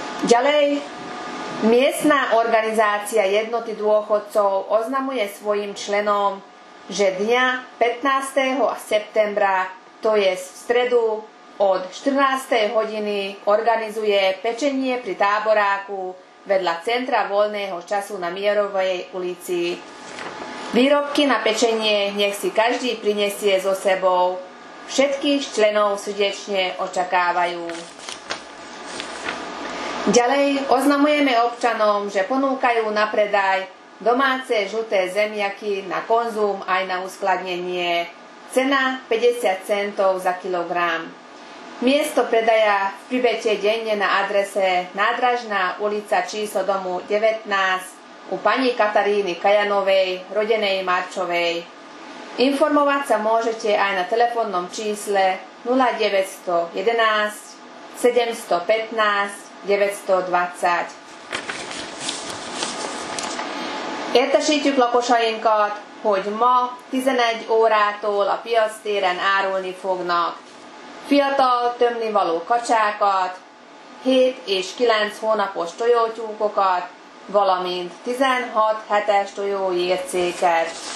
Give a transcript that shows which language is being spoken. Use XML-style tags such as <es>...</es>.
<sk>Ďalej, miestna organizácia jednoty dôchodcov oznamuje svojim členom, že dňa 15. septembra, to je v stredu, od 14. hodiny organizuje pečenie pri táboráku vedľa centra voľného času na Mierovej ulici. Výrobky na pečenie nech si každý prinesie so sebou. Všetkých členov srdečne očakávajú. Ďalej oznamujeme občanom, že ponúkajú na predaj domáce žlté zemiaky na konzum aj na uskladnenie. Cena 50 centov za kilogram. Miesto predaja v Pribete denne na adrese Nádražná ulica číslo domu 19 u pani Kataríny Kajanovej, rodenej Marčovej. Informovať sa môžete aj na telefónnom čísle 0911 715 920.</sk> <hu>Értesítjük lakosainkat, hogy ma 11 órától a piac téren árulni fognak fiatal tömnivaló kacsákat, 7 és 9 hónapos tojótyúkokat, valamint 16 hetes tojójércéket.</hu>